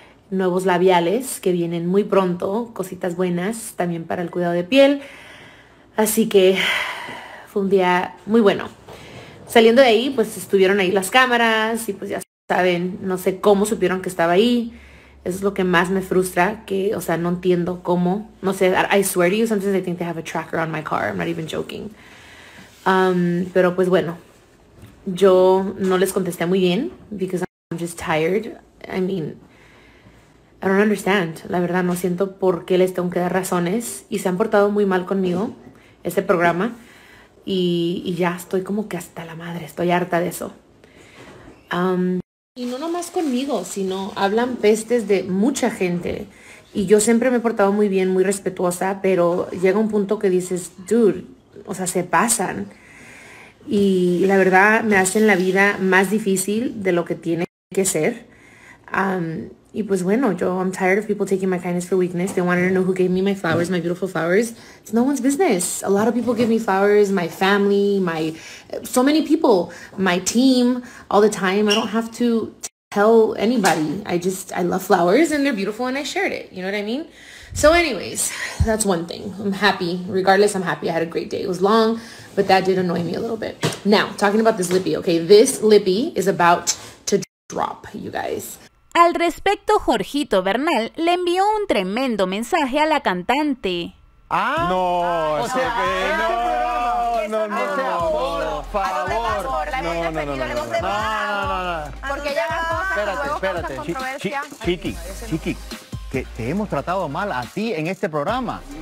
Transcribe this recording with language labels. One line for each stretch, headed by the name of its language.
Spanish: Nuevos labiales que vienen muy pronto, cositas buenas también para el cuidado de piel. Así que fue un día muy bueno. Saliendo de ahí, pues estuvieron ahí las cámaras y pues ya saben, no sé cómo supieron que estaba ahí. Eso es lo que más me frustra, que, o sea, no entiendo cómo. No sé,
English: I swear to you, sometimes I think they have a tracker on my car. I'm not even joking.
Spanish: Pero pues bueno, yo no les contesté muy bien
English: because I'm just tired. I mean, I don't understand.
Spanish: La verdad, no siento por qué les tengo que dar razones y se han portado muy mal conmigo este programa. Y ya estoy como que hasta la madre, estoy harta de eso. Y no nomás conmigo, sino hablan pestes de mucha gente. Y yo siempre me he portado muy bien, muy respetuosa, pero llega un punto que dices, dude, o sea, se pasan. Y la verdad, me hacen la vida más difícil de lo que tiene que ser. Y pues bueno, yo,
English: I'm tired of people taking my kindness for weakness. They wanted to know who gave me my flowers, my beautiful flowers. It's no one's business. A lot of people give me flowers, my family, my, so many people, my team, all the time. I don't have to tell anybody. I love flowers and they're beautiful and I shared it. You know what I mean? So anyways, that's one thing. I'm happy. Regardless, I'm happy. I had a great day. It was long, but that did annoy me a little bit. Now, talking about this lippy, okay? This lippy is about to drop, you guys.
Spanish: Al respecto, Jorgito Bernal le envió un tremendo mensaje a la cantante. ¡Ah! ¡No! ¡O sea, no! ¡No, no, no! ¡No, no, no! ¡Por favor! ¡No, no, no! ¡No, no, no! ¡No, no, no! Porque ya no. Espérate, espérate. Chiqui, Chiqui, que te hemos tratado mal a ti en este programa.